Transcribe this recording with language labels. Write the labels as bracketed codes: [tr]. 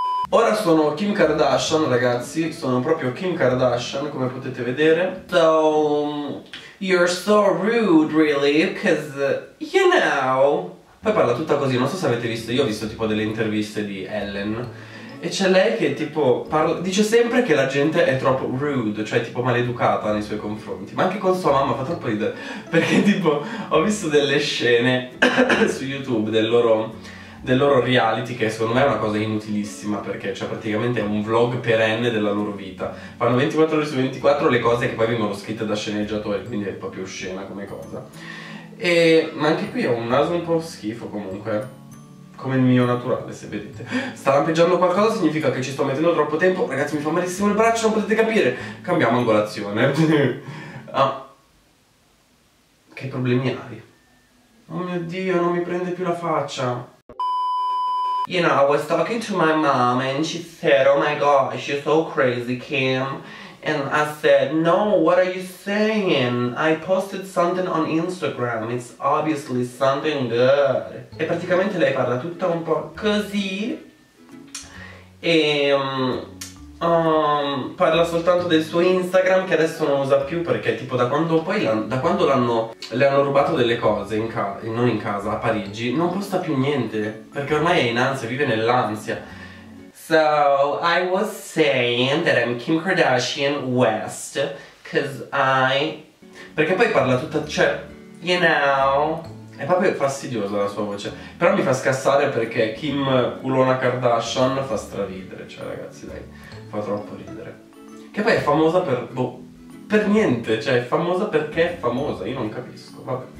[it] Ora sono Kim Kardashian, ragazzi, sono proprio Kim Kardashian, come potete vedere. [en] So you're so rude really, cause you know. [it] Poi parla tutta così, non so se avete visto, io ho visto tipo delle interviste di Ellen e c'è lei che tipo parla, dice sempre che la gente è troppo rude, cioè tipo maleducata nei suoi confronti, ma anche con sua mamma fa troppo ridere, perché tipo ho visto delle scene su YouTube del loro reality, che secondo me è una cosa inutilissima, perché cioè praticamente è un vlog perenne della loro vita, fanno 24 ore su 24 le cose che poi vengono scritte da sceneggiatori, quindi è proprio scena come cosa. E ma anche qui ho un naso un po' schifo comunque, come il mio naturale, se vedete. Sta lampeggiando qualcosa, significa che ci sto mettendo troppo tempo. Ragazzi, mi fa malissimo il braccio, non potete capire. Cambiamo angolazione. Ah, che problemi hai? Oh mio Dio, non mi prende più la faccia. [en] You know, I was talking to my mom and she said, oh my gosh, you're so crazy, Kim. And I said, no, what are you saying? I posted something on Instagram, it's obviously something good. [it] E praticamente lei parla tutta un po' così. E parla soltanto del suo Instagram, che adesso non usa più, perché tipo da quando poi le hanno rubato delle cose in casa, non in casa, a Parigi, non posta più niente, perché ormai è in ansia, vive nell'ansia. [en] So, I was saying that I'm Kim Kardashian West, cause I... [it] Perché poi parla tutta, cioè, [en] you know... [it] È proprio fastidiosa la sua voce, però mi fa scassare perché Kim culona Kardashian fa straridere, cioè ragazzi, dai, fa troppo ridere. Che poi è famosa per, boh, per niente, cioè è famosa perché è famosa, io non capisco, vabbè.